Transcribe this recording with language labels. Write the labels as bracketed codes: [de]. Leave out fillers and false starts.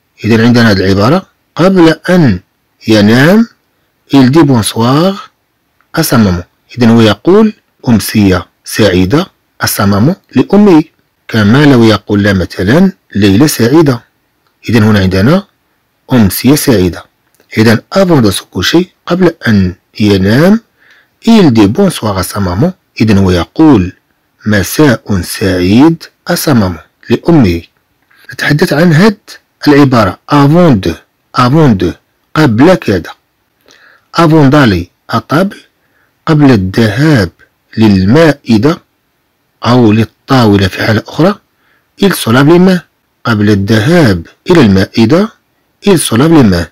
[ar] اذا عندنا هذه العباره قبل ان ينام [fr] il dit bonsoir à sa maman. [ar] اذا هو يقول امسيه سعيده [fr] à sa maman [ar] لامي، كما لو يقول لها مثلا ليله سعيده. اذا هنا عندنا امسيه سعيده. [fr] اذا avant de se coucher، [ar] قبل ان ينام، [fr] il dit bonsoir à sa maman. [ar] اذا هو يقول مساء سعيد [fr] à sa maman [ar] لامي. نتحدث عن هذه العباره [fr] avant de، avant de [ar] قبل كذا، [fr] افون دالي اطابل، [ar] قبل الذهاب للمائده او للطاوله في حاله اخرى، [fr] il se lave les mains، [ar] قبل الذهاب الى المائده il se lave les mains.